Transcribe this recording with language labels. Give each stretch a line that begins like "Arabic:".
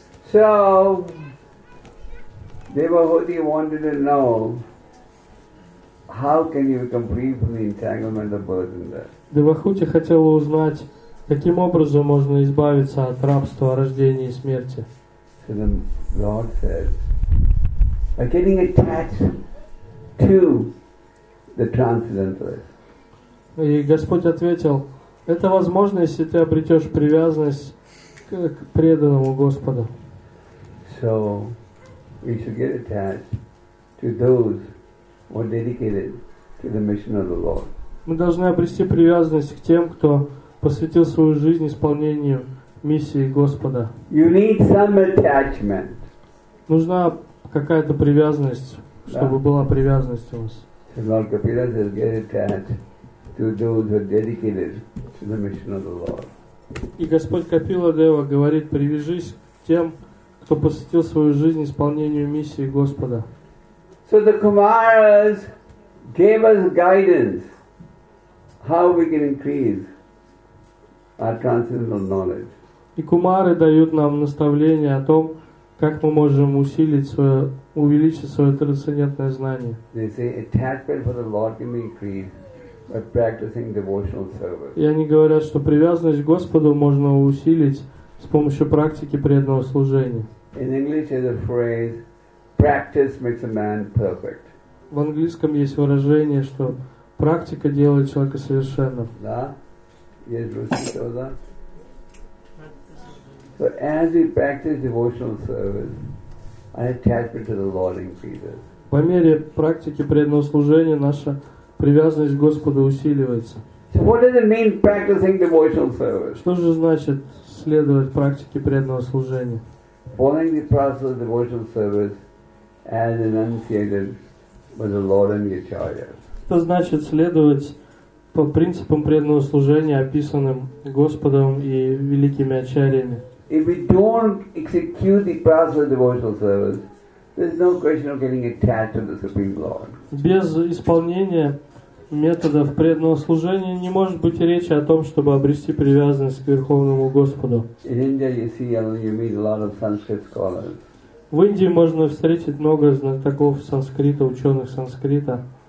English: So, Devahuti wanted to know, how can you become free from the entanglement of birth and death?
Russian: Devahuti хотела узнать, каким образом можно избавиться от рабства рождения и смерти.
English: So the Lord said, by getting attached to the transcendentalist.
Russian: И Господь ответил: это возможно, если ты обретешь привязанность к преданному Господу.
English: So we should get attached to those or dedicated to the mission of the Lord.
Russian: Мы должны обрести привязанность к тем, кто посвятил свою жизнь исполнению миссии Господа.
English: You need some attachment.
Russian: Нужна какая-то привязанность, чтобы была привязанность у вас.
English: So Lord Kapila says, get attached to those who are dedicated to the mission of the Lord.
Russian: И Господь Капила Дева говорит: привяжись к тем, кто посвятил свою жизнь исполнению миссии Господа.
English: So the Kumaras gave us guidance how we can increase our transcendental knowledge.
Russian: И Кумары дают нам наставление о том, как мы можем усилить свое, увеличить свое трансцендентное знание.
English: They say attachment for the Lord can be increased by practicing devotional service.
Russian: И они говорят, что привязанность к Господу можно усилить с помощью практики преданного служения.
English: In English is a phrase, practice makes a man perfect.
Russian: В английском есть выражение, что практика делает человека совершенным.
English: Да? Yes, Rusi saw that. So as we practice devotional service, our attachment to the Lord increases.
Russian: По мере практики преданного служения наша привязанность к Господу усиливается.
English: So what does it mean practicing devotional service?
Russian: Что же значит следовать практике преданного служения?
English: Following the process of devotional service as enunciated by the Lord and the Acharyas.
Russian: Это значит следовать по принципам преданного служения, описанным Господом и великими Ачарьями.
English: If we don't execute the process of devotional service, there's no question of getting attached to the Supreme Lord.
Russian: Без исполнения методов преданного служения не может быть речи о том, чтобы обрести привязанность к Верховному Господу.
English: In India, you see, you meet a lot of Sanskrit scholars.
Russian: В Индии можно встретить много знатоков санскрита, ученых санскрита.